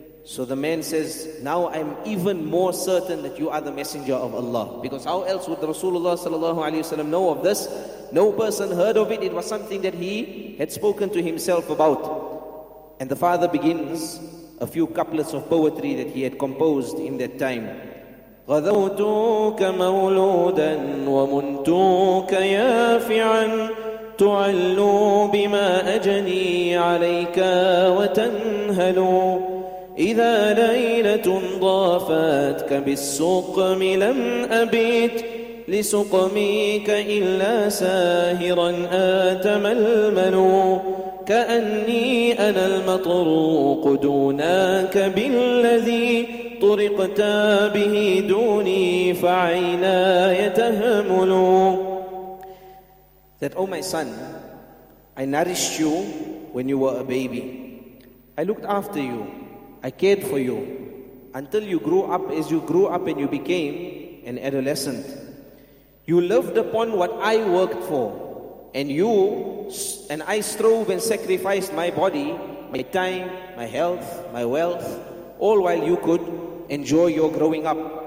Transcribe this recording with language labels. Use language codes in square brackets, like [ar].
[en] So the man says, now I'm even more certain that you are the messenger of Allah. Because how else would Rasulullah sallallahu alayhi wa sallam know of this? No person heard of it. It was something that he had spoken to himself about. And the father begins a few couplets of poetry that he had composed in that time. [ar] غذوتك مولودا ومنتوك يافعا تعلو بما أجني عليك وتنهلو إذا ليلة ضافتك بالسقم لم أبيت لسقميك إلا ساهرا أتململ كأني أنا المطروق دونك بالذي طرقتا به دوني فعيناي تهمل. [en] That, oh my son, I nourished you when you were a baby. I looked after you. I cared for you until you grew up, as you grew up and you became an adolescent. You lived upon what I worked for, and you and I strove and sacrificed my body, my time, my health, my wealth, all while you could enjoy your growing up.